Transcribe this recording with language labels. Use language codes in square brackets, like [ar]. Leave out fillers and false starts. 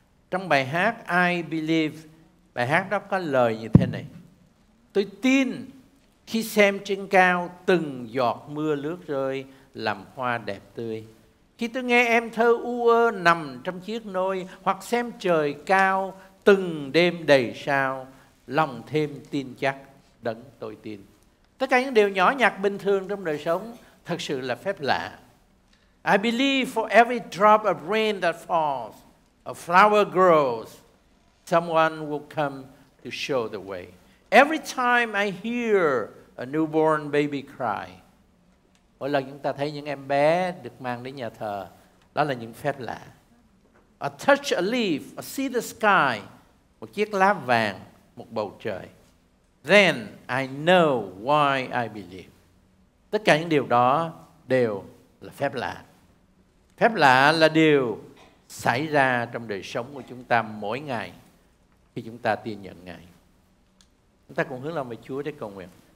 [vi] Trong bài hát I Believe, bài hát đó có lời như thế này: tôi tin khi xem trên cao từng giọt mưa lướt rơi làm hoa đẹp tươi. Khi tôi nghe em thơ u ơ nằm trong chiếc nôi, hoặc xem trời cao từng đêm đầy sao, lòng thêm tin chắc đấng tôi tin. Tất cả những điều nhỏ nhặt bình thường trong đời sống thật sự là phép lạ. [en] I believe for every drop of rain that falls, a flower grows, someone will come to show the way. Every time I hear a newborn baby cry, [vi] mỗi lần chúng ta thấy những em bé được mang đến nhà thờ, đó là những phép lạ. [en] A touch a leaf, a see the sky, [vi] một chiếc lá vàng, một bầu trời. [en] Then I know why I believe. [vi] Tất cả những điều đó đều là phép lạ. Phép lạ là điều xảy ra trong đời sống của chúng ta mỗi ngày khi chúng ta tin nhận Ngài. Chúng ta cùng hướng lòng về Chúa để cầu nguyện.